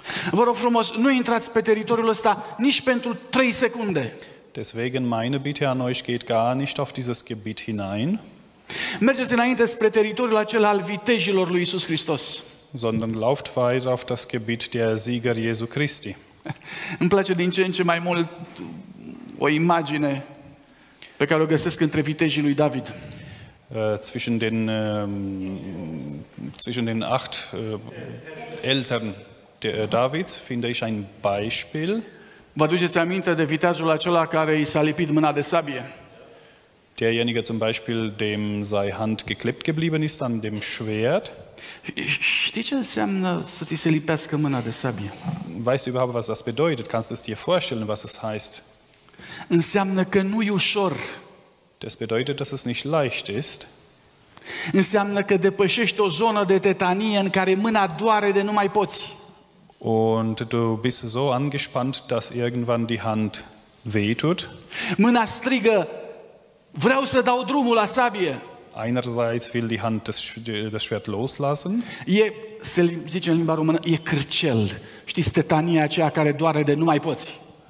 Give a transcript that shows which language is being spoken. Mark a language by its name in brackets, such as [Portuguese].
[Romanian] Vă rog frumos, nu intrați pe teritoriul ăsta nici pentru 3 secunde. [German] Deswegen meine Bitte an euch, geht gar nicht auf dieses Gebiet hinein. [Romanian] Mergeți înainte spre teritoriul acela al vitejilor lui Iisus Hristos. [German] Sondern lauft weiter auf das Gebiet der Sieger Jesu Christi. [Romanian] Îmi place din ce în ce mai mult o imagine pe care o găsesc între vitejii lui David. [German] Zwischen den 8 Eltern Davids finde ich ein Beispiel. [Romanian] Vă aduceți aminte de viteazul acela care i s-a lipit mâna de sabie? [German] Derjenige zum Beispiel, dem sei Hand geklebt geblieben ist an dem Schwert. [Romanian] Știi ce înseamnă să ți se lipească mâna de sabie? [German] Weißt du überhaupt, was das bedeutet? Kannst du es dir vorstellen, was es heißt? [Romanian] Înseamnă că nu e ușor. [German] Das bedeutet, dass es nicht leicht ist. [Romanian] Înseamnă că depășești o zonă de tetanie în care mâna doare de nu mai poți. [German] Und du bist so angespannt, dass irgendwann die Hand wehtut. [Romanian] Mâna strigă, vreau să dau drumul la sabie. [German] Einerseits will die Hand das Schwert loslassen. [Romanian] E, se zice în limba română, e cârcel. Știți, tetania aceea care doare de nu mai poți.